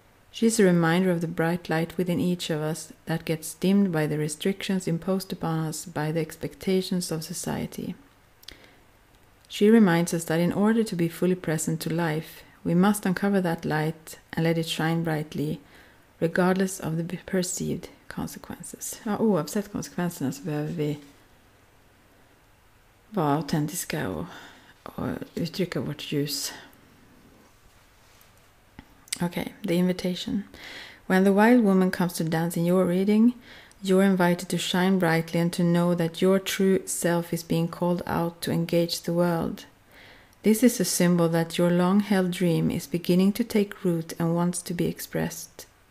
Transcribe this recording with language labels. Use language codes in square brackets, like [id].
[en] She is a reminder of the bright light within each of us that gets dimmed by the restrictions imposed upon us by the expectations of society. She reminds us that in order to be fully present to life, we must uncover that light and let it shine brightly, regardless of the perceived consequences. [sv] Ja, oavsett konsekvenserna så behöver vi vara autentiska och uttrycka vårt ljus. [en] Okay, the invitation. When the wild woman comes to dance in your reading, you're invited to shine brightly and to know that your true self is being called out to engage the world. This is a symbol that your long-held dream is beginning to take root and wants to be expressed.